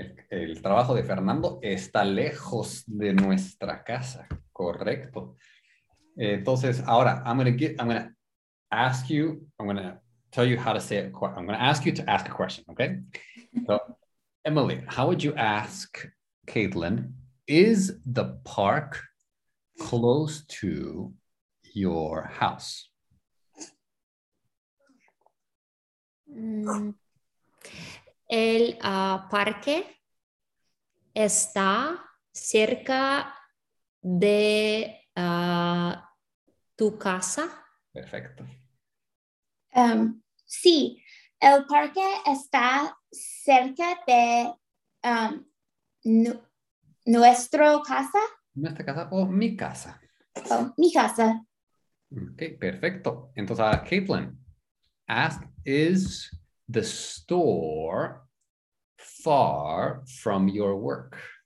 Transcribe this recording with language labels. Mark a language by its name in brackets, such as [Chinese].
[Spanish] El trabajo de Fernando está lejos de nuestra casa. Correcto. Entonces, ahora, [English] I'm going to ask you to ask a question, okay? So, Emily, how would you ask Caitlin, is the park close to your house? [Spanish] El parque está cerca de tu casa. Perfecto. Sí, el parque está cerca de nuestra casa. Nuestra casa o mi casa. Oh, mi casa. Ok, perfecto. [English] Entonces, Caitlin, ask, is the store far from your work?